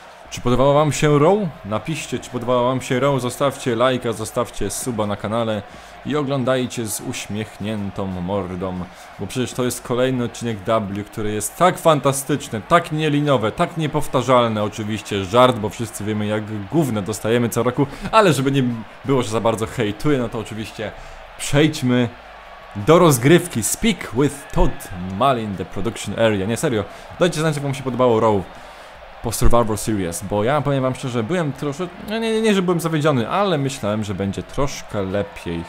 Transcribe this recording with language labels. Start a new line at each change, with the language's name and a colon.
Polish: Czy podobała wam się Raw? Napiszcie, czy podobała wam się Raw, zostawcie lajka, zostawcie suba na kanale i oglądajcie z uśmiechniętą mordą, bo przecież to jest kolejny odcinek W, który jest tak fantastyczny, tak nieliniowy, tak niepowtarzalny. Oczywiście żart, bo wszyscy wiemy, jak gówno dostajemy co roku, ale żeby nie było, że za bardzo hejtuję, no to oczywiście przejdźmy do rozgrywki.
English: Speak with Todd Malin, the production area.
Polish: Nie, serio, dajcie znać, jak wam się podobało Raw po Survivor Series, bo ja powiem wam szczerze, byłem troszeczkę, nie, że byłem zawiedziony, ale myślałem, że będzie troszkę lepiej.